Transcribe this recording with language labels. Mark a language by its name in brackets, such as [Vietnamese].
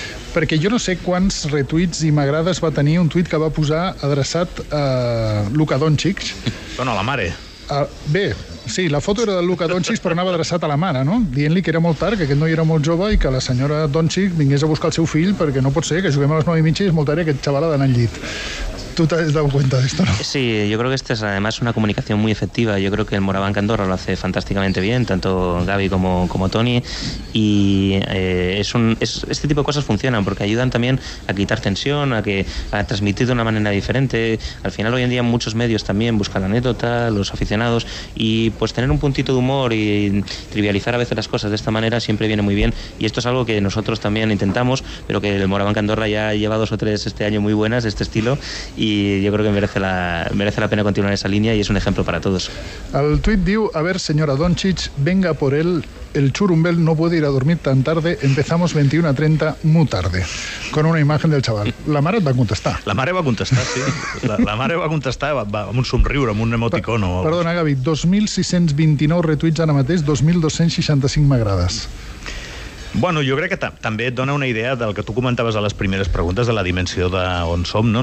[Catalan] Perquè jo no sé quants retuits i m'agrades va tenir un tuit que va posar adreçat a Luka Doncic. Dona la mare. Bé, sí, la foto era de Luka Doncic, però anava adreçat a la mare, no? Dient-li que era molt tard, que aquest noi era molt jove i que la senyora Doncic vingués a buscar el seu fill, perquè no pot ser, que juguem a les 9:30 i és molt tard i aquest xaval ha d'anar al llit. [Spanish] ¿Tú te has dado cuenta de esto, no? Sí, yo creo que esta es además una comunicación muy efectiva. Yo creo que el Moraván Candorra lo hace fantásticamente bien, tanto Gaby como Tony. Y este tipo de cosas funcionan porque ayudan también a quitar tensión, a transmitir de una manera diferente. Al final, hoy en día, muchos medios también buscan la anécdota, los aficionados. Y pues tener un puntito de humor y trivializar a veces las cosas de esta manera siempre viene muy bien. Y esto es algo que nosotros también intentamos, pero que el Moraván Candorra ya lleva dos o tres este año muy buenas de este estilo. Y yo creo que merece la pena continuar esa línea y es un ejemplo para todos. [Catalan] Al tuit diu: [Spanish] a ver, señora Doncic, venga por él. El Churumbel no puede ir a dormir tan tarde. Empezamos 21:30, muy tarde. Con una imagen del chaval. [Catalan] La mare et va contestar. La mare va contestar, sí. La mare va contestar amb un somriure, amb un emoticono. Perdona, Gavi, 2.629 retuits ara mateix, 2.265 m'agrades. Bueno, jo crec que també et dona una idea del que tu comentaves a les primeres preguntes, de la dimensió d'on som, no?